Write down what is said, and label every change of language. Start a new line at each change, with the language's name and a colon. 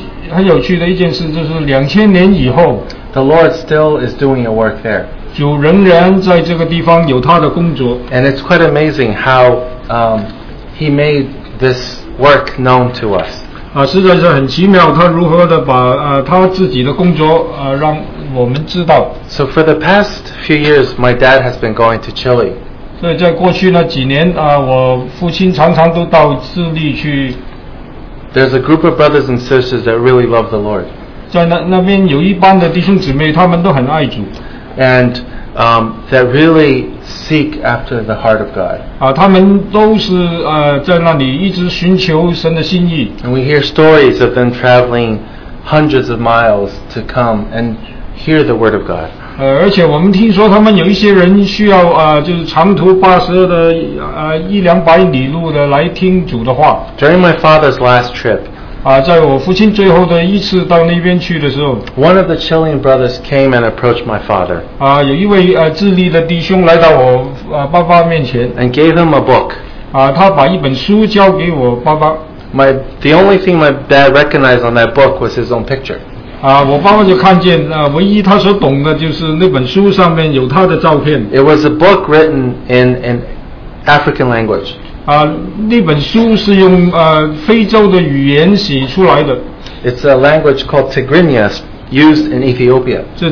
Chinese: 很有趣的一件事就是 2,000 年以后
English: The Lord still is doing a work there.
Chinese: 主仍然在这个地方有他的工作。
English: And it's quite amazing how He made this work known to us.
Chinese: 实在是很奇妙，他如何的把他自己的工作让我们知道。
English: So for the past few years, my dad has been going to Chile.
Chinese: 所以在过去那几年，我父亲常常都到智利去。
English: There's a group of brothers and sisters that really love the Lord.
Chinese: 在那边有一帮的弟兄姊妹，他们都很爱主。
English: And that really seek after the heart of God.
Chinese: 他们都是在那里一直寻求神的心意。
English: And we hear stories of them traveling hundreds of miles to come and hear the word of God.
Chinese: 而且我们听说他们有一些人需要长途跋涉的一两百里路的来听主的话。
English: During my father's last trip,
Chinese: 在我父亲最后的一次到那边去的时候,
English: one of the Chilean brothers came and approached my father.
Chinese: 有一位智利的弟兄来到我爸爸面前,
English: and gave him a book.
Chinese: 他把一本书交给我爸爸。
English: The only thing my dad recognized on that book was his own picture.
Chinese: 我爸爸就看见唯一他所懂的就是那本书上面有他的照片。
English: It was a book written in an African language.
Chinese: 那本书是用非洲的语言写出来的。
English: It's a language called Tigrinya, used in Ethiopia.